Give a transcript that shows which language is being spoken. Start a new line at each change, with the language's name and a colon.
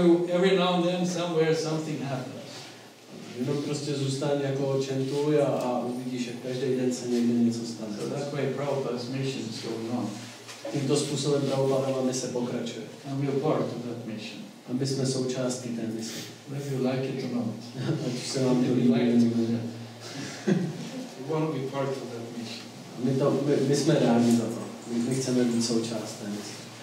English: Every now and then somewhere something happens.
Czech: Jenom prostě zůstaň jako čentuj a uvidíš, jak každý den se někde něco stane.
English: So that way Prabhupada's mission is going on.
Czech: Tímto způsobem Prabhupada mise pokračuje.
English: And we are part of that mission.
Czech: A my jsme součástí té mise.
English: Whether you like it or not.
Czech: Ať se vám to líbí.
English: We want to be part of that mission.
Czech: My jsme rádi za to. My chceme být součást té mise.